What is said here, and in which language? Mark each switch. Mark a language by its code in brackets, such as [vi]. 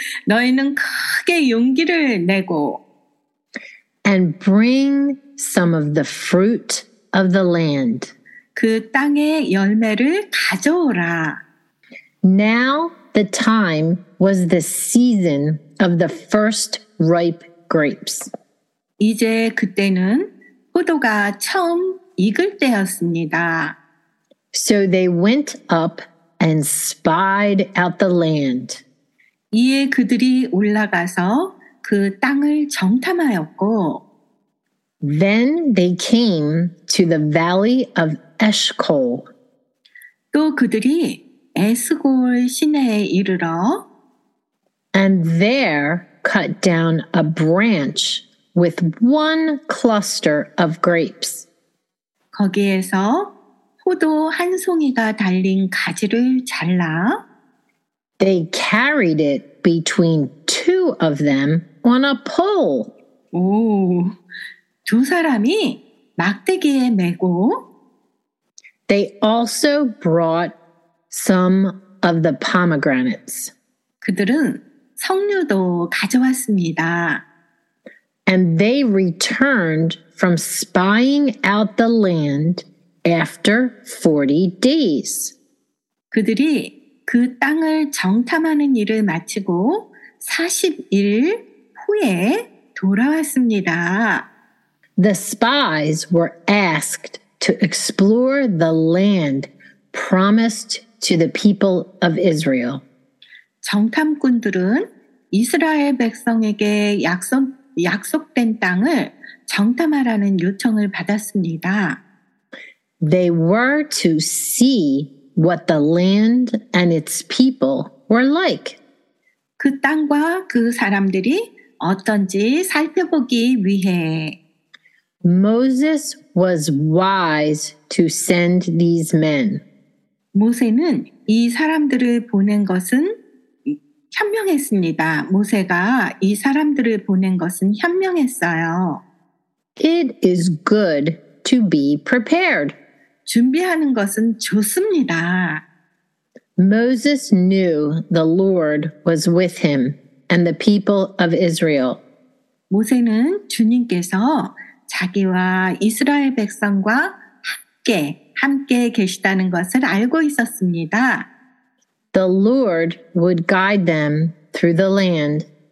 [ko] 너희는 크게 용기를 내고 [en] And bring some of the fruit of the land. [ko] 그 땅의 열매를 가져오라. [en] Now the time was the season of the first ripe grapes. [ko] 이제 그때는 포도가 처음 익을 때였습니다. [en] So they went up and spied out the land. [ko] 이에 그들이 올라가서 그 땅을 정탐하였고 [en] Then they came to the valley of Eshcol. [ko] 또 그들이 에스골 시내에 이르러 [en] And there cut down a branch with one cluster of grapes. [ko] 거기에서 포도 한 송이가 달린 가지를 잘라 [en] They carried it between two of them on a pole. [ko] 오, 두 사람이 막대기에 메고 [en] They also brought some of the pomegranates. [ko] 그들은 석류도 가져왔습니다. [en] And they returned from spying out the land after 40 days. [ko] 그들이 그 땅을 정탐하는 일을 마치고 40일 후에 돌아왔습니다. [en] The spies were asked to explore the land promised to the people of Israel. [ko] 정탐꾼들은 이스라엘 백성에게 약속된 땅을 정탐하라는 요청을 받았습니다. [en] They were to see what the land and its people were like. [ko] 그 땅과 그 사람들이 어떤지 살펴보기 위해 [en] Moses was wise to send these men. [ko] 모세는 이 사람들을 보낸 것은 현명했습니다. 모세가 이 사람들을 보낸 것은 현명했어요. [en] It is good to be prepared. [ko] 준비하는 것은 좋습니다. [en] Moses knew the Lord was with him and the people of Israel. [ko] 모세는 주님께서 자기와 이스라엘 백성과 함께 계시다는 것을 알고 있었습니다. [en] The Lord would guide them through the land.